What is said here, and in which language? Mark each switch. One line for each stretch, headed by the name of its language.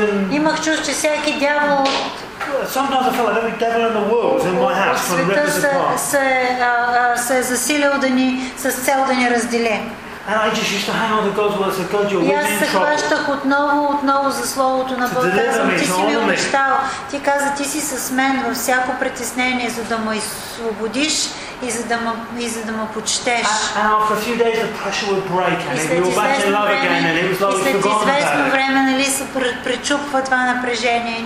Bulgarian: Имах чувство, че всеки дявол.
English: Sometimes I felt like every devil in the world was in my house trying to rip us apart.
Bulgarian: Се засилил да ни, с цел да ни раздели.
English: And I just used to hang on to God's word. Said, God, you're in trouble.
Bulgarian: Я хващах отново за словото на Бог. Казвам, ти си ми обещал. Ти каза, ти си с мен във всяко притеснение, за да ме освободиш и за да ме почетеш.
English: And after a few days, the pressure would break, and we were back in love again, and it was like forgotten.
Bulgarian: И след известно време, нали, се пречупва това напрежение.